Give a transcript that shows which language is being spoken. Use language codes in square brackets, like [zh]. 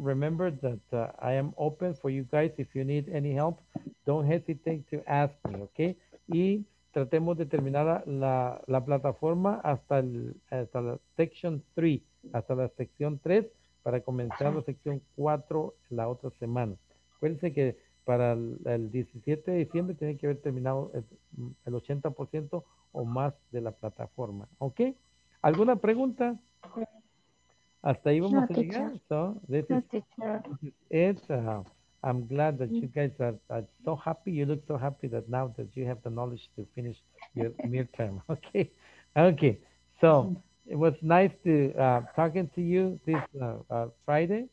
[en] Remember that I am open for you guys. If you need any help, don't hesitate to ask me, okay? [es] Y tratemos de terminar la plataforma hasta la section 3, hasta la sección 3, para comenzar la sección 4 la otra semana. Acuérdense que para el 17 de diciembre tiene que haber terminado el 80% o más de la plataforma, ¿okay? ¿Alguna pregunta? Hasta ahí vamos a llegar. [en] So, I'm glad that you guys are so happy. You look so happy that now that you have the knowledge to finish your midterm. Okay. So it was nice to talking to you this Friday.